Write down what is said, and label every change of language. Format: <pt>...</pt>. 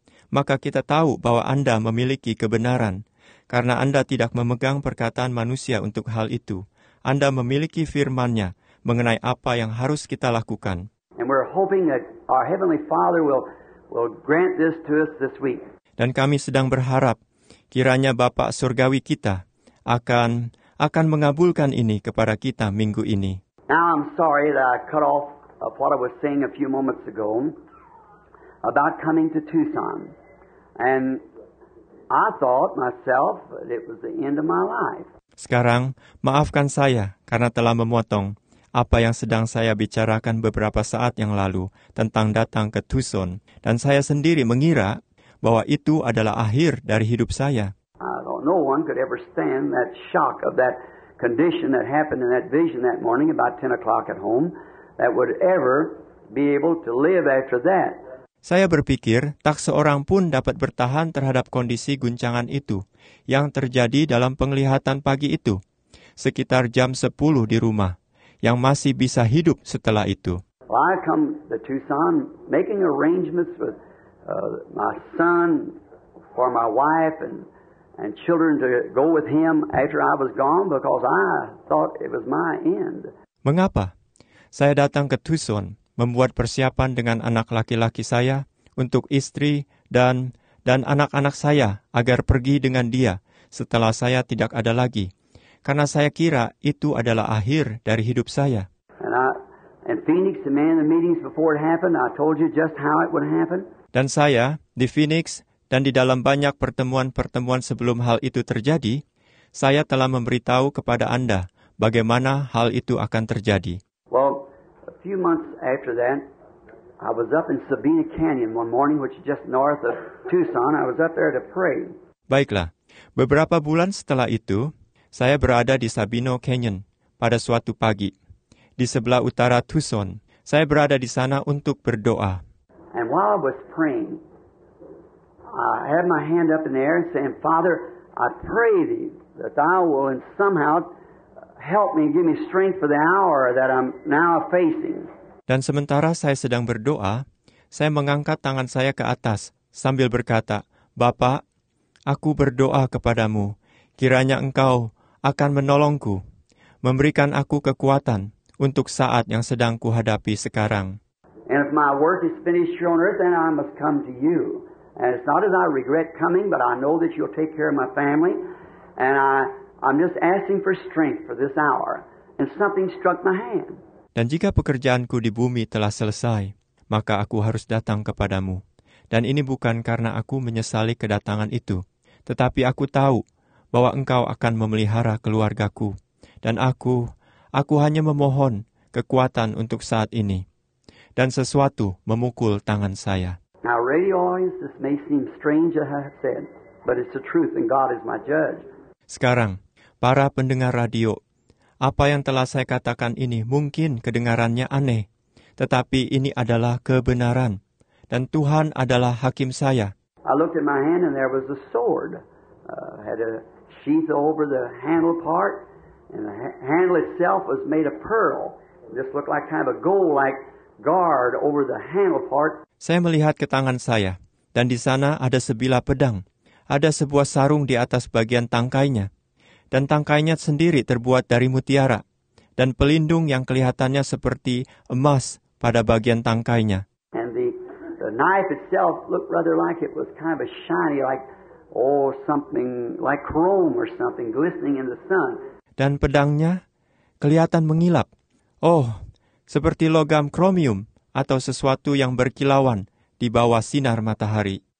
<id>Maka kita tahu bahwa Anda memiliki kebenaran, karena Anda tidak memegang perkataan manusia untuk hal itu. Anda memiliki firman-Nya mengenai apa yang harus kita lakukan.</id> <en>And we're hoping that our Heavenly Father will grant this to us this week.</en> <id>Dan kami sedang berharap kiranya Bapa Surgawi kita akan mengabulkan ini kepada kita minggu ini.</id> <en>Now I'm sorry that I cut off of what I was saying a few moments ago about coming to Tucson. And I thought myself that it was the end of my life.</en> <id>Sekarang, maafkan saya karena telah memotong apa yang sedang saya bicarakan beberapa saat yang lalu tentang datang ke Tucson. Dan saya sendiri mengira bahwa itu adalah akhir dari hidup saya.</id> <en>No one could ever stand that shock of that condition that happened in that vision that morning about 10 o'clock at home that would ever be able to live after that.</en> <id>Saya berpikir tak seorang pun dapat bertahan terhadap kondisi guncangan itu yang terjadi dalam penglihatan pagi itu, sekitar jam 10 di rumah, yang masih bisa hidup setelah itu.</id> <en>Well, I come to Tucson making arrangements with my son for my wife and children to go with him after I was gone because I thought it was my end.</en> <id>Mengapa? Saya datang ke Tucson membuat persiapan dengan anak laki-laki saya untuk istri dan anak-anak saya agar pergi dengan dia setelah saya tidak ada lagi. Karena saya kira itu adalah akhir dari hidup saya.</id> <en>In Phoenix, the man in the meetings before it happened, I told you just how it would happen.</en> <id>Dan saya di Phoenix dan di dalam banyak pertemuan-pertemuan sebelum hal itu terjadi, saya telah memberitahu kepada Anda bagaimana hal itu akan terjadi.</id> <en>Well, a few months after that, I was up in Sabina Canyon one morning, which is just north of Tucson. I was up there to pray.</en> <id>Baiklah, beberapa bulan setelah itu, saya berada di Sabino Canyon pada suatu pagi. Di sebelah utara Tucson, saya berada di sana untuk berdoa.</id> <en>And while I was praying, I had my hand up in the air and saying, Father, I pray thee that thou will in somehow help me, give me strength for the hour that I'm now facing.</en> <id>Dan sementara saya sedang berdoa, saya mengangkat tangan saya ke atas sambil berkata, Bapa, aku berdoa kepadamu, kiranya engkau akan menolongku, memberikan aku kekuatan untuk saat yang sedang kuhadapi sekarang.</id> <en>And if my work is finished here on earth, then I must come to you. And it's not as I regret coming, but I know that you'll take care of my family. And I'm just asking for strength for this hour. And something struck my hand.</en> <id>Dan jika pekerjaanku di bumi telah selesai, maka aku harus datang kepadamu. Dan ini bukan karena aku menyesali kedatangan itu. Tetapi aku tahu bahwa engkau akan memelihara keluargaku. Dan aku hanya memohon kekuatan untuk saat ini. Dan sesuatu memukul tangan saya.</id> <en>Now, radio audience, this may seem strange, as I have said, but it's the truth, and God is my judge.</en> <id>Sekarang, para pendengar radio, apa yang telah saya katakan ini mungkin kedengarannya aneh, tetapi ini adalah kebenaran, dan Tuhan adalah hakim saya.</id> <en>I looked at my hand, and there was a sword. Had a sheath over the handle part, and the handle itself was made of pearl. It just looked like kind of a gold-like guard over the handle part.</en> <id>Saya melihat ke tangan saya, dan di sana ada sebilah pedang. Ada sebuah sarung di atas bagian tangkainya. Dan tangkainya sendiri terbuat dari mutiara. Dan pelindung yang kelihatannya seperti emas pada bagian tangkainya.</id> <en>And the knife itself looked rather like it was kind of a shiny, like, oh, something like chrome or something glistening in the sun.</en> <id>Dan pedangnya kelihatan mengilap, Oh, seperti logam kromium atau sesuatu yang berkilauan di bawah sinar matahari.</id>